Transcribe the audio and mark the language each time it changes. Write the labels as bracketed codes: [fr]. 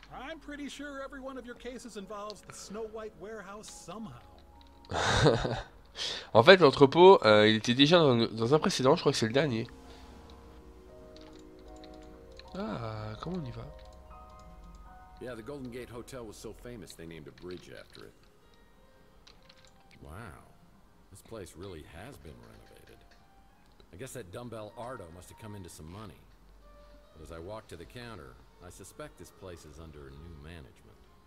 [en] I'm pretty sure every one of your cases involves the Snow White warehouse somehow. [fr] En fait, l'entrepôt, il était déjà dans un précédent. Je crois que c'est le dernier. Ah, comment on y va? [en] Yeah, the Golden Gate Hotel was so famous they named a bridge after it. Wow, this place really has been renovated. I guess that dumbbell Ardo must have come into some money. But as I walk to the counter, I suspect this place is under new management.